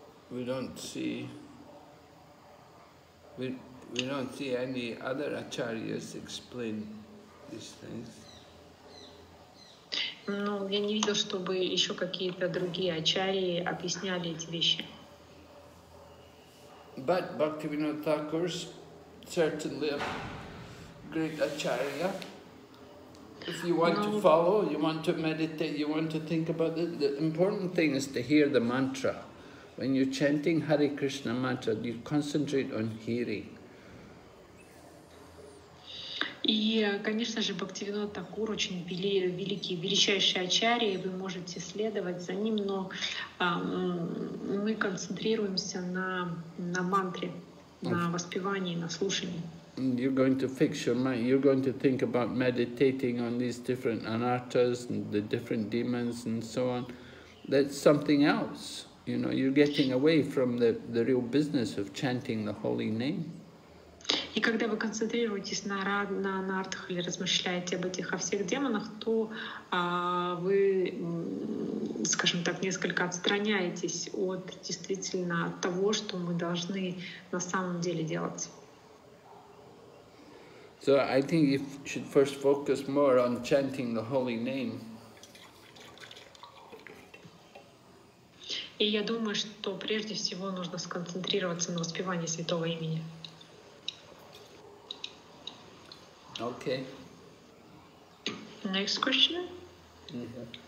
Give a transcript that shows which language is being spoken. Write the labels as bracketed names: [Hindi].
[English] We don't see any other acharyas explain these things. [Russian] Ну, я не видел, чтобы еще какие-то другие ачарьи объясняли эти вещи. [English] But Bhaktivinoda Thakur is certainly a great acharya. If you want to follow, you want to meditate, you want to think about it. The important thing is to hear the mantra. When you're chanting Hare Krishna mantra, you concentrate on hearing. [Russian] И, конечно же, Бхактивинода Такур очень великий, величайший ачарья, и вы можете следовать за ним, но мы концентрируемся на мантре, на воспевании, на слушании. [English] You're going to fix your mind, you're going to think about meditating on these different anarthas and the different demons and so on. That's something else, you know, you're getting away from the real business of chanting the holy name. [Russian] И когда вы концентрируетесь на анартхах или размышляете об этих, о всех демонах, то вы, скажем так, несколько отстраняетесь от действительно того, что мы должны на самом деле делать. [English] So I think you should first focus more on chanting the holy name. [Russian] И я думаю, что прежде всего нужно сконцентрироваться на воспевании святого имени. [English] Okay. Next question. Mm-hmm.